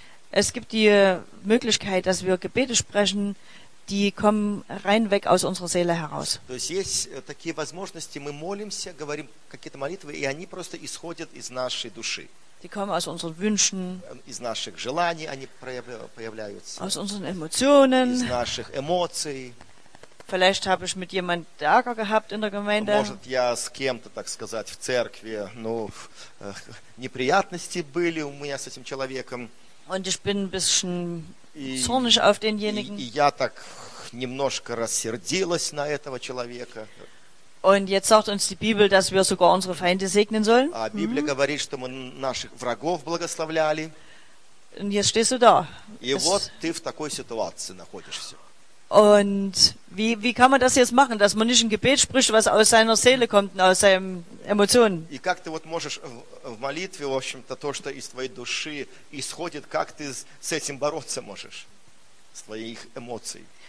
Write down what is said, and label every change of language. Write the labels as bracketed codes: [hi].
[de] Es gibt die Möglichkeit, dass wir Gebete sprechen, die kommen rein weg aus unserer Seele heraus. [ru] То есть есть такие возможности, мы молимся, говорим какие-то молитвы, и они просто исходят из нашей души. [de] Die kommen aus unseren Wünschen, [ru] из наших желаний они появляются. [de] Aus unseren Emotionen, [ru] из наших эмоций. [de] Vielleicht habe ich mit jemandem Ärger gehabt in der Gemeinde. [ru] Может, я с кем-то, так сказать, в церкви, ну, неприятности были у меня с этим человеком. [de] Und ich bin ein bisschen zornig auf denjenigen. [ru] И я так немножко рассердилась на этого человека. [de] Und jetzt sagt uns die Bibel, dass wir sogar unsere Feinde segnen sollen. [ru] А Библия говорит, что мы наших врагов благословляли. [de] Und jetzt stehst du da. [ru] И вот ты в такой ситуации находишься. [de] Und wie kann man das jetzt machen, dass man nicht ein Gebet spricht, was aus seiner Seele kommt, aus seinen Emotionen? [ru] И как ты вот можешь в молитве, в общем-то, то, что из твоей души исходит, как ты с этим бороться можешь, с твоих эмоций?